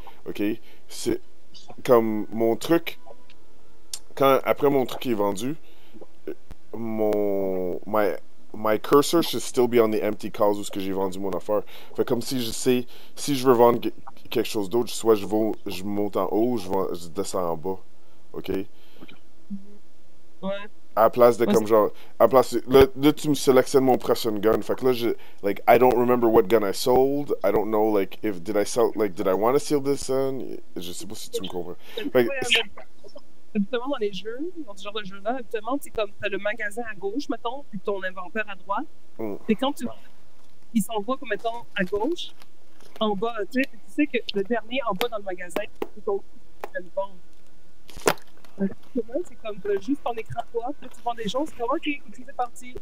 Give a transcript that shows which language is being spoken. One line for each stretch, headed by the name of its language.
French: Ok? C'est comme mon truc. Quand après mon truc est vendu,
English: my cursor should still be on the empty case
French: où ce que j'ai vendu mon affaire. Fait comme si je sais, si je veux vendre quelque chose d'autre, soit je monte en haut, je descends en bas. Ok? À la place de comme genre, à la place de, là tu me sélectionnes mon prochain gun. Fait que là,
English: like, I don't remember what gun I sold. I don't know, like, if, did I sell, like, did I want to seal this gun?
French: Je sais pas si tu me comprends. Fait que, Habituellement, dans les jeux, dans ce genre de jeu-là, habituellement, c'est comme tu as le magasin à gauche, mettons, puis ton inventaire à droite. Et quand tu. Ils s'envoient, comme mettons, à gauche, en bas, tu sais que le dernier en bas dans le magasin, c'est ton. C'est le bon. C'est comme juste en écran toi, puis tu vends des choses, c'est comme, ok, c'est parti.